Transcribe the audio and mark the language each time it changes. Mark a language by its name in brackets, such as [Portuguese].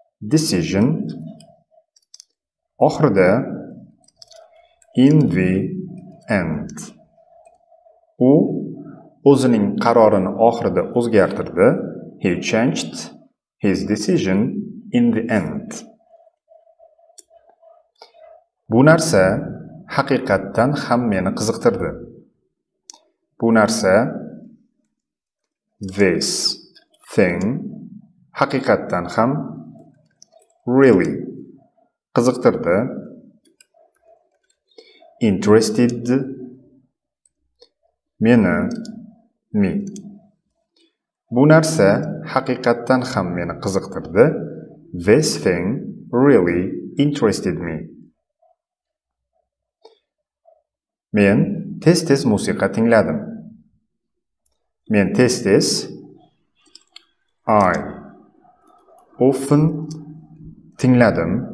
[English] Decision [Uzbek] oxirida [English] in the end. [Uzbek] U o'zining qarorini oxirida o'zgartirdi. [English] He changed his decision in the end. [Uzbek] Bu narsa haqiqatdan ham meni qiziqtirdi. Bu narsa [English] this thing [Uzbek] haqiqatdan ham [English] really [Uzbek] qiziqtirdi. [English] Interested [Uzbek] meni, [English] me. [Uzbek] Bu narsa haqiqatdan ham meni qiziqtirdi. [English] This thing really interested me. [Uzbek] Men tez-tez musiqa tingladim. Men tez-tez [English] I often [Uzbek] tingladim.